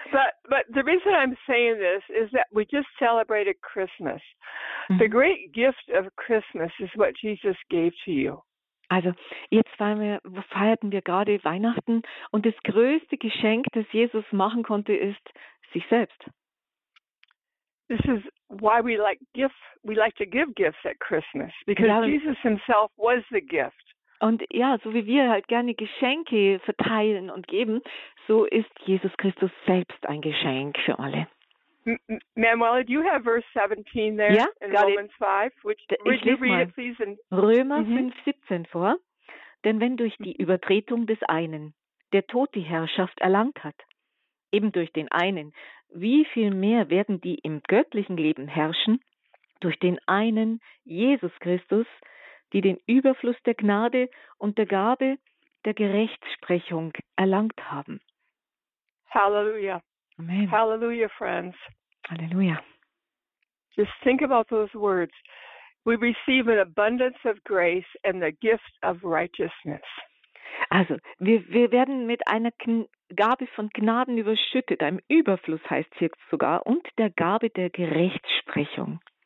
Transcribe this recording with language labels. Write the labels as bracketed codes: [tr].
[en] But the reason I'm saying this is that we just celebrated Christmas. Mm-hmm. The great gift of Christmas is what Jesus gave to you. [de] Also, jetzt feierten wir gerade Weihnachten und das größte Geschenk, das Jesus machen konnte, ist sich selbst. [en] This is why we like to give gifts at Christmas, because Jesus himself was the gift. [de] Und ja, so wie wir halt gerne Geschenke verteilen und geben, so ist Jesus Christus selbst ein Geschenk für alle. [en] Manuel, do you have verse 17 there Romans 5? [de] Römer 5:17 vor. Denn wenn durch die Übertretung des einen der Tod die Herrschaft erlangt hat, eben durch den einen, wie viel mehr werden die im göttlichen Leben herrschen, durch den einen, Jesus Christus, die den Überfluss der Gnade und der Gabe der Gerechtsprechung erlangt haben. Halleluja. Amen. [en] Halleluja, friends. Halleluja. Just think about those words. We receive an abundance of grace and the gift of righteousness. [de] Also, wir werden mit einer Gabe von Gnaden überschüttet, einem Überfluss heißt es hier sogar, und der Gabe der Gerechtsprechung.